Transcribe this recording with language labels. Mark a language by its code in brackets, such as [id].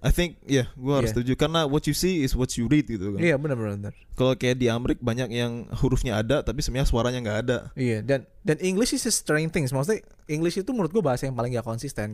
[en] I think yeah, [id] gue harus setuju karena [en] what you see is what you read [id] gitu kan. Iya, benar-benar. Kalau kayak di Amerika banyak yang hurufnya ada tapi sebenarnya suaranya enggak ada. Iya, dan [en] English is a strange thing. [id] Maksudnya English itu menurut gue bahasa yang paling enggak konsisten.